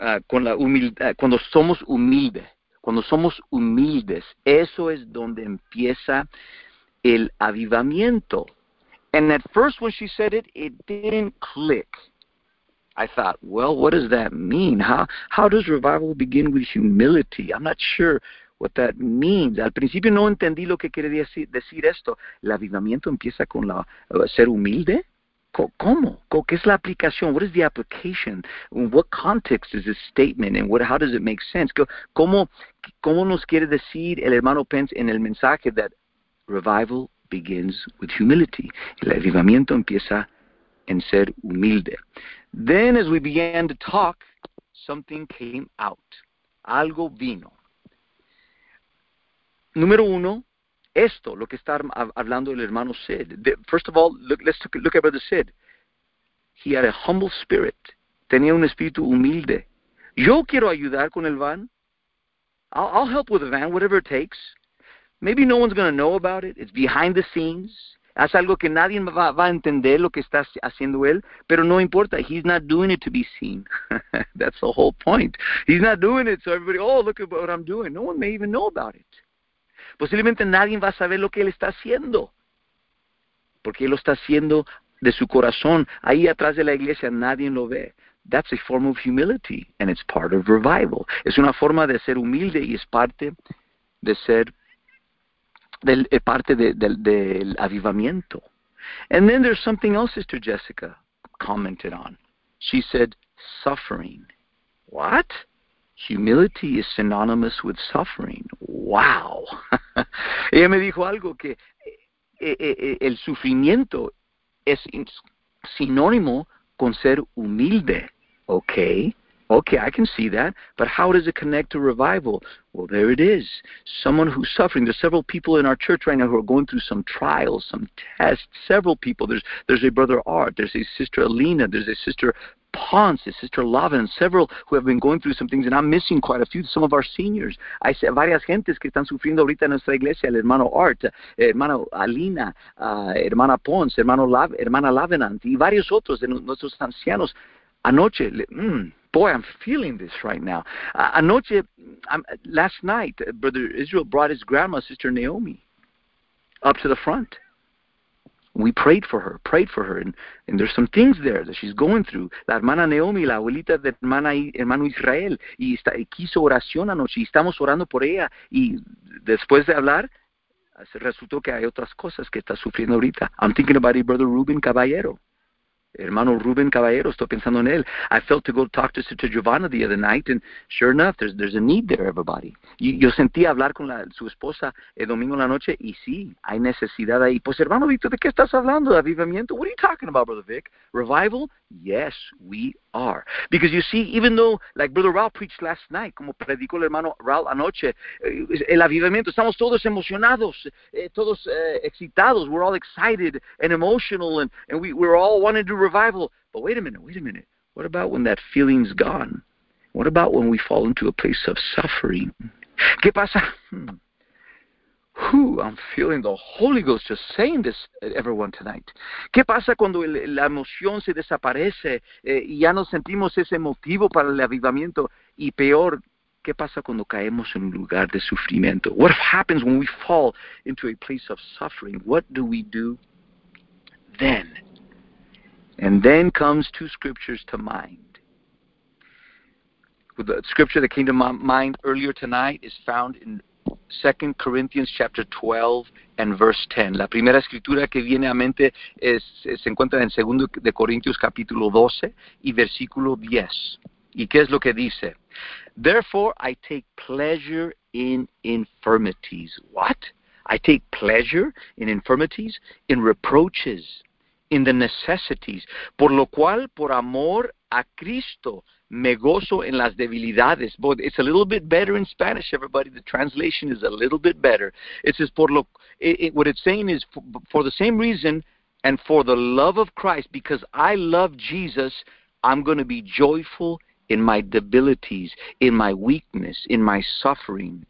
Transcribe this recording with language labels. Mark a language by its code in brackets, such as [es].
[es] Con la humildad, cuando somos humildes, eso es donde empieza el avivamiento. [en] And at first, when she said it, it didn't click. I thought, well, what does that mean? How does revival begin with humility? I'm not sure what that means. [es] Al principio no entendí lo que quería decir esto. El avivamiento empieza con la ser humilde. ¿Cómo? ¿Qué es la aplicación? [en] What is the application? In what context is this statement? And how does it make sense? [es] ¿Cómo nos quiere decir el hermano Pence en el mensaje [en] that revival begins with humility? [es] El avivamiento empieza en ser humilde. [en] Then as we began to talk, something came out. [es] Algo vino. Número uno. Esto, lo que está hablando el hermano Sid. [en] First of all, let's look at Brother Sid. He had a humble spirit. [es] Tenía un espíritu humilde. Yo quiero ayudar con el van. [en] I'll help with the van, whatever it takes. Maybe no one's going to know about it. It's behind the scenes. [es] Es algo que nadie va a entender lo que está haciendo él. Pero no importa. [en] He's not doing it to be seen. That's the whole point. He's not doing it so everybody, oh, look at what I'm doing. No one may even know about it. [es] Posiblemente nadie va a saber lo que él está haciendo, porque él lo está haciendo de su corazón. Ahí atrás de la iglesia nadie lo ve. [en] That's a form of humility, and it's part of revival. [es] Es una forma de ser humilde y es parte de ser del avivamiento. [en] And then there's something else Sister Jessica commented on. She said, suffering. What? Humility is synonymous with suffering. Wow. Ella me dijo algo que el sufrimiento es sinónimo con ser humilde. Okay, I can see that. But how does it connect to revival? Well, there it is. Someone who's suffering. There's several people in our church right now who are going through some trials, some tests. Several people. There's a brother Art. There's a sister Alina. There's a sister Ponce, Sister Lavin, several who have been going through some things, and I'm missing quite a few, some of our seniors. I see [es] varias gentes que están sufriendo ahorita en nuestra iglesia, el hermano Art, hermano Alina, hermana Ponce, hermano hermana Lavinant, y varios otros de nuestros ancianos. Anoche, [en] Boy, I'm feeling this right now. [es] Anoche, [en] last night, Brother Israel brought his grandma, Sister Naomi, up to the front. We prayed for her, and there's some things there that she's going through. [es] La hermana Naomi, la abuelita de hermano Israel, y quiso oración anoche, y estamos orando por ella, y después de hablar, resultó que hay otras cosas que está sufriendo ahorita. [en] I'm thinking about it, Brother Ruben Caballero. [es] Hermano Ruben Caballero, estoy pensando en él. [en] I felt to go talk to Sister Giovanna the other night, and sure enough, there's a need there, everybody. [es] Yo sentí hablar con su esposa el domingo en la noche, y sí, hay necesidad ahí. Pues, hermano Víctor, ¿de qué estás hablando? ¿Avivamiento? [en] What are you talking about, Brother Vic? Revival? Yes, we are. Because you see, even though, like Brother Raul preached last night, [es] como predicó el hermano Raul anoche, el avivamiento, estamos todos emocionados, todos excitados, [en] we're all excited and emotional, and we're all wanting to do revival. But wait a minute. What about when that feeling's gone? What about when we fall into a place of suffering? [es] ¿Qué pasa? [en] I'm feeling the Holy Ghost just saying this, everyone, tonight. [es] ¿Qué pasa cuando la emoción se desaparece y ya no sentimos ese motivo para el avivamiento? Y peor, ¿qué pasa cuando caemos en un lugar de sufrimiento? [en] What happens when we fall into a place of suffering? What do we do then? And then comes two scriptures to mind. The scripture that came to my mind earlier tonight is found in 2 Corinthians chapter 12 and verse 10. [es] La primera escritura que viene a mente se encuentra en 2 de Corintios capítulo 12 y versículo 10. ¿Y qué es lo que dice? [en] Therefore I take pleasure in infirmities. What? I take pleasure in infirmities, in reproaches, in the necessities. [es] Por lo cual, por amor a Cristo, me gozo en las debilidades. [en] But it's a little bit better in Spanish, everybody. The translation is a little bit better. It says, what it's saying is, for the same reason, and for the love of Christ, because I love Jesus, I'm going to be joyful in my debilities, in my weakness, in my suffering.